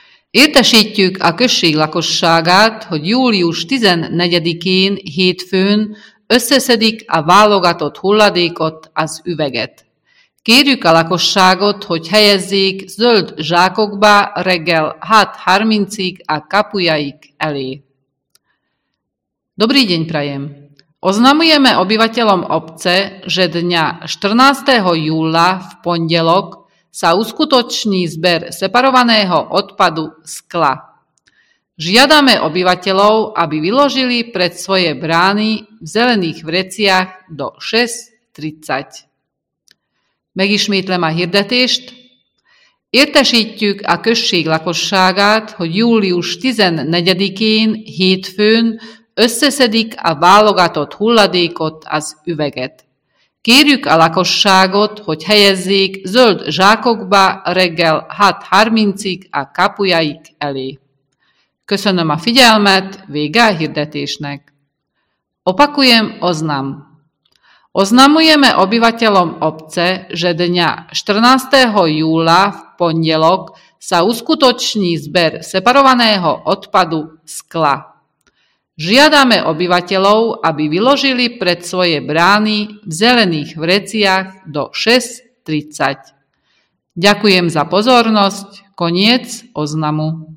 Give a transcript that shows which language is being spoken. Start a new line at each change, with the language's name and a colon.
Hungarian: Értesítjük a község lakosságát, hogy július 14-én, hétfőn összeszedik a válogatott hulladékot, az üveget. Kérjük a lakosságot, hogy helyezzék zöld zsákokba reggel 6:30-ig a kapujaik elé.
Slovak: Dobrý deň, prajem! Oznamujeme obyvateľom obce, že dňa 14. júla v pondelok sa uskutoční zber separovaného odpadu skla. Žiadame obyvateľov, aby vyložili pred svoje brány v zelených vreciach do 6:30.
Hungarian: Megismétlem a hirdetést. Értesítjük a község lakosságát, hogy július 14-én, hétfőn összeszedik a válogatott hulladékot, az üveget. Kérjük a lakosságot, hogy helyezzék zöld zsákokba reggel 6:30-ig a kapujaik elé. Köszönöm a figyelmet, vége a hirdetésnek.
Slovak: Opakujem oznam. Oznamujeme obyvateľom obce, že dňa 14. júla v pondelok sa uskutoční zber separovaného odpadu skla. Žiadame obyvateľov, aby vyložili pred svoje brány v zelených vreciach do 6:30. Ďakujem za pozornosť. Koniec oznamu.